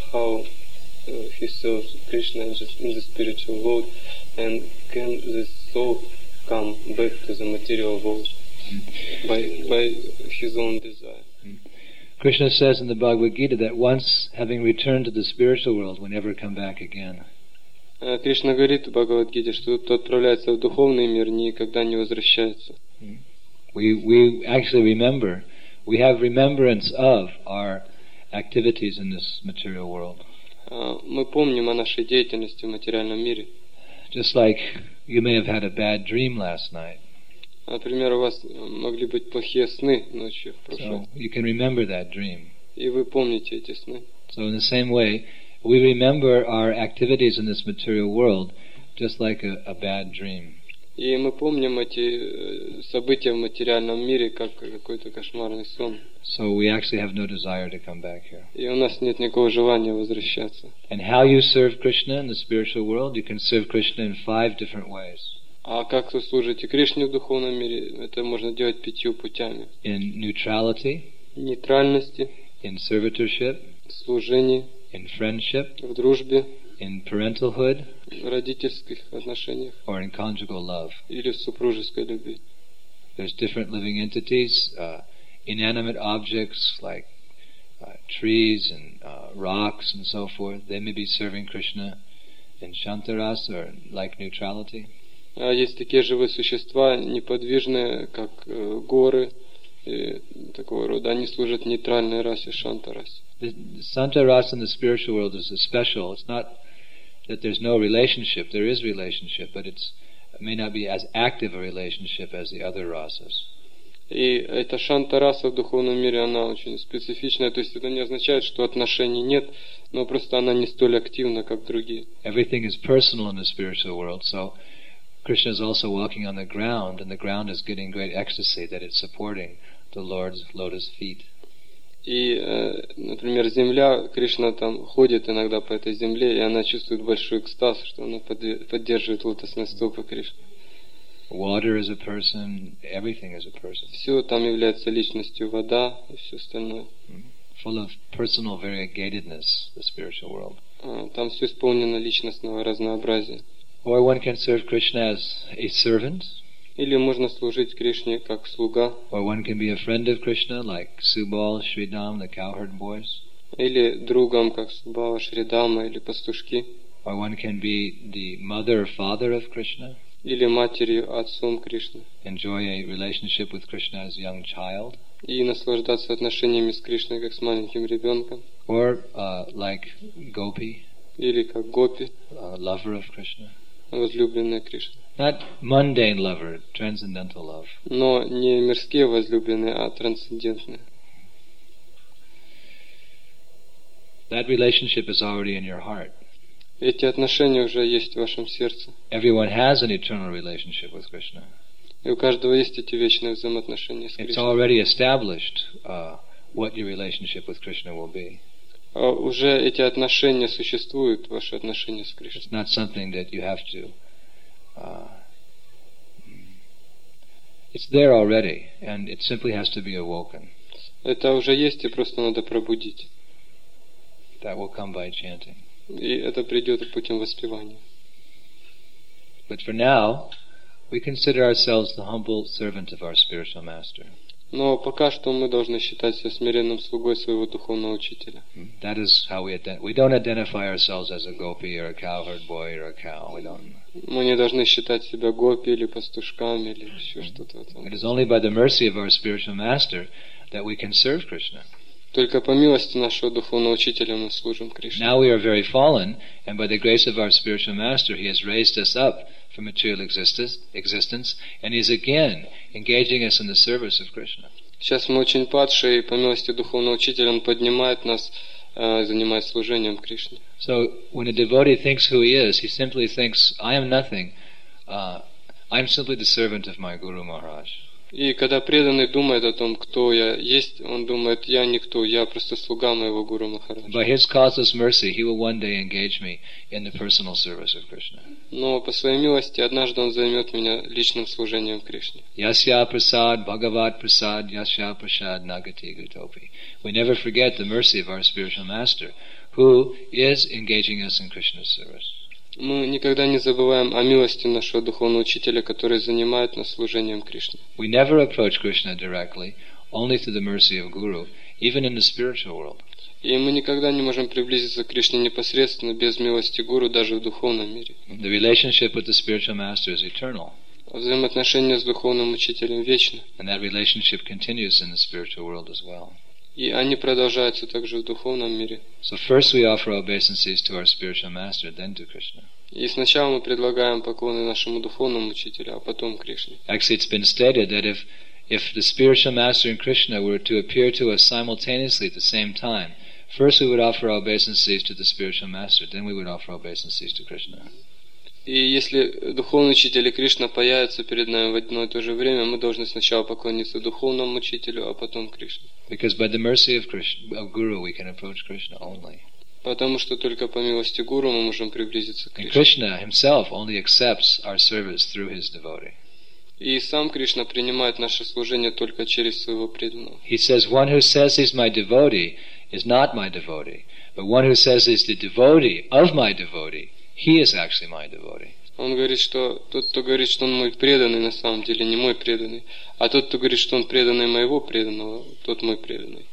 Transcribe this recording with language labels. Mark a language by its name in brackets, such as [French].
[English] How he serves Krishna in the spiritual world, and can this soul come back to the material world by his own desire? Krishna says in the Bhagavad Gita that once having returned to the spiritual world, we never come back again. [Russian] Krishna говорит в Бхагавад Гите, что тот, кто отправляется в духовный мир, никогда не возвращается. [English] We actually remember. We have remembrance of our activities in this material world. [Russian] Мы помним о нашей деятельности в материальном мире. [English] Just like you may have had a bad dream last night. [Russian] Например, у вас могли быть плохие сны ночью в прошлом. [English] So you can remember that dream. [Russian] И вы помните эти сны. [English] So in the same way, we remember our activities in this material world just like a bad dream. [Russian] И мы помним эти события в материальном мире как какой-то кошмарный сон. [English] So we actually have no desire to come back here. [Russian] И у нас нет никакого желания возвращаться. [English] And how you serve Krishna in the spiritual world, you can serve Krishna in 5 different ways. [Russian] А как вы служите Кришне в духовном мире, это можно делать 5 путями. [English] In neutrality. [Russian] Нейтральности. [English] In servitorship. [Russian] Служении. [English] In friendship. [Russian] В дружбе. [English] In parentalhood. [Russian] В родительских отношениях. [English] Or in conjugal love. [Russian] Или в супружеской любви. [English] There's different living entities, inanimate objects like trees and rocks and so forth. They may be serving Krishna in shantarasa or like neutrality. [Russian] Есть такие живые существа, неподвижные, как горы и такого рода. Они служат нейтральной расе, шанта-расе. [English] The Santa-rasa in the spiritual world is a special. It's not that there's no relationship. There is relationship, but it's, it may not be as active a relationship as the other rasas. [Russian] И эта шанта-раса в духовном мире, она очень специфичная. То есть это не означает, что отношений нет, но просто она не столь активна, как другие. [English] Everything is personal in the spiritual world, so Krishna is also walking on the ground, and the ground is getting great ecstasy that it's supporting the Lord's lotus feet. [Russian] И, например, земля, Кришна там ходит иногда по этой земле, и она чувствует большой экстаз, что она поддерживает лотосные стопы Кришны. [English] Water is a person, everything is a person. [Russian] Все там является личностью, вода и все остальное. [English] Full of personal variegatedness, the spiritual world. [Russian] Там все исполнено личностного разнообразия. [English] Or one can serve Krishna as a servant. [Russian] Или можно служить Кришне как слуга. [English] Or one can be a friend of Krishna, like Subal, Shridham, the cowherd boys. [Russian] Или другом, как Субала, Шридама, или пастушки. [English] Or one can be the mother or father of Krishna. [Russian] Или матерью, отцом Кришны. [English] Enjoy a relationship with Krishna as a young child. [Russian] И наслаждаться отношениями с Кришной, как с маленьким ребенком. [English] Or like Gopi. [Russian] Или как Гопи. [English] Lover of Krishna. [Russian] Возлюбленная Кришна. [English] Not mundane lover, transcendental love. [Russian] Но не мирские возлюбленные, а трансцендентные. [English] That relationship is already in your heart. [Russian] Эти отношения уже есть в вашем сердце. [English] Everyone has an eternal relationship with Krishna. [Russian] И у каждого есть эти вечные взаимоотношения с Кришной. [English] It's already established what your relationship with Krishna will be. [Russian] Уже эти отношения существуют, ваши отношения с Кришной. [English] It's not something that you have to. It's there already, and it simply has to be awoken. [Russian] Это уже есть, и просто надо пробудить. [English] That will come by chanting. [Russian] И это придет путем воспевания. [English] But for now, we consider ourselves the humble servant of our spiritual master. [Russian] Но пока что мы должны считать себя смиренным слугой своего духовного учителя. [English] That is how we don't identify ourselves as a gopi or a cowherd boy or a cow. We don't. [Russian] Мы не должны считать себя гопи или пастушками или еще что-то. [English] It is only by the mercy of our spiritual master that we can serve Krishna. [Russian] Только по милости нашего духовного учителя мы служим Кришне. [English] Now we are very fallen, and by the grace of our spiritual master, he has raised us up from material existence, and he is again engaging us in the service of Krishna. [Russian] Сейчас мы очень падшие, и по милости духовного учителя он поднимает нас, занимаясь служением Кришне. [English] So when a devotee thinks who he is, he simply thinks, I am nothing. I am simply the servant of my Guru Maharaj. [Russian] И когда преданный думает о том, кто я есть, он думает, я никто, я просто слуга моего Гуру Махараджа. [English] By his causeless mercy, he will one day engage me in the personal service of Krishna. [Russian] Но по своей милости, однажды он займет меня личным служением Кришне. [Sanskrit] Yasya prasad, bhagavat prasad, yasya prasad, nagati gatopi. [English] We never forget the mercy of our spiritual master, who is engaging us in Krishna's service. [Russian] Мы никогда не забываем о милости нашего духовного учителя, который занимает нас служением Кришне. [English] We never approach Krishna directly, only through the mercy of Guru, even in the spiritual world. [Russian] И мы никогда не можем приблизиться к Кришне непосредственно без милости Гуру, даже в духовном мире. [English] The relationship with the spiritual master is eternal. [Russian] Взаимоотношения с духовным учителем вечны. [English] And that relationship continues in the spiritual world as well. [Russian] И они продолжаются также в духовном мире. [English] So first we offer obeisances to our spiritual master, then to Krishna. [Russian] И сначала мы предлагаем поклоны нашему духовному учителю, а потом Кришне. [English] Actually, it's been stated that if the spiritual master and Krishna were to appear to us simultaneously at the same time, first we would offer obeisances to the spiritual master, then we would offer obeisances to Krishna. [Russian] И если духовный учитель и Кришна появятся перед нами в одно и то же время, мы должны сначала поклониться духовному учителю, а потом Кришне. [English] Because by the mercy of Krishna, of Guru, we can approach Krishna only. [Russian] Потому что только по милости Гуру мы можем приблизиться к Кришне. [English] And Krishna himself only accepts our service through his devotee. [Russian] И сам Кришна принимает наше служение только через своего преданного. [English] He says, one who says he's my devotee is not my devotee, but one who says he's the devotee of my devotee, he is actually my devotee. [Russian] Он говорит, что тот, кто говорит, что он мой преданный, на самом деле не мой преданный, а тот, кто говорит, что он преданный моего преданного, тот мой преданный.